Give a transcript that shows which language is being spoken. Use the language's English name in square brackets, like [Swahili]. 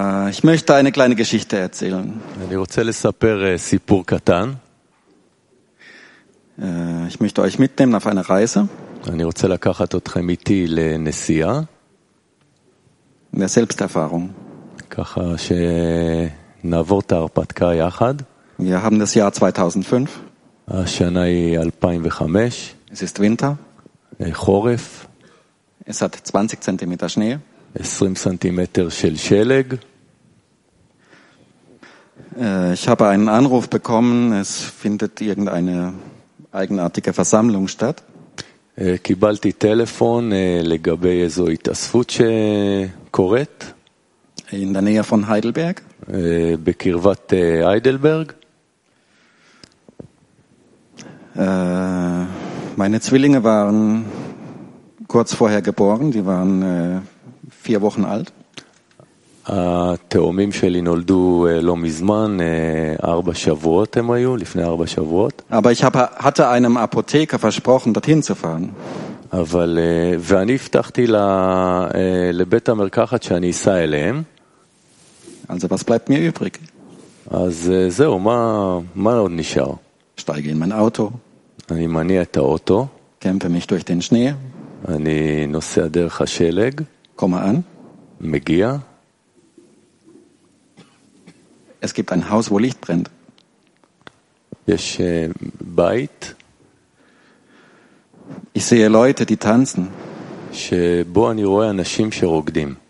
[German] Ich möchte eine kleine Geschichte erzählen. [Hebrew] אני רוצה לספר סיפור קטן. [German] Ich möchte euch mitnehmen auf eine Reise. [Hebrew] אני רוצה לקחת אתכם איתי לנסיעה. [German] Selbsterfahrung. [Hebrew] ככה שנעבור את ההרפתקה יחד. [German] Wir haben das Jahr 2005. [Hebrew] השנה היא 2005. [German] Es ist Winter. [Hebrew] חורף. [German] Es hat 20 cm Schnee. [Hebrew] 20 cm של שלג. [German] Ich habe einen Anruf bekommen, es findet irgendeine eigenartige Versammlung statt. [Hebrew] קיבלתי טלפון לגבי איזו התאספות שקורית. [German] In der Nähe von Heidelberg. [Hebrew] בקרבת היידלברג. [German] Meine Zwillinge waren kurz vorher geboren, die waren 4 Wochen alt. [Hebrew] התאומים שלי נולדו לא מזמן, 4 שבועות הם היו, לפני 4 שבועות. [German] Aber ich hatte einem Apotheker versprochen, dorthin zu fahren. [Hebrew] אבל ואני הבטחתי לבית המרקחת שאני אסע אליהם. [German] Also was bleibt mir übrig? [Hebrew] אז זהו, מה עוד נשאר? [German] Steige in mein Auto. [Hebrew] אני מניע את האוטו. [German] Kämpfe mich durch den Schnee. [Hebrew] אני נוסע דרך השלג. [German] Komme an. [Hebrew] מגיע. [German] Es gibt ein Haus, wo Licht brennt. [Hebrew] יש בית. [German] Ich sehe Leute, die tanzen. [Hebrew] שבו אני רואה אנשים שרוקדים.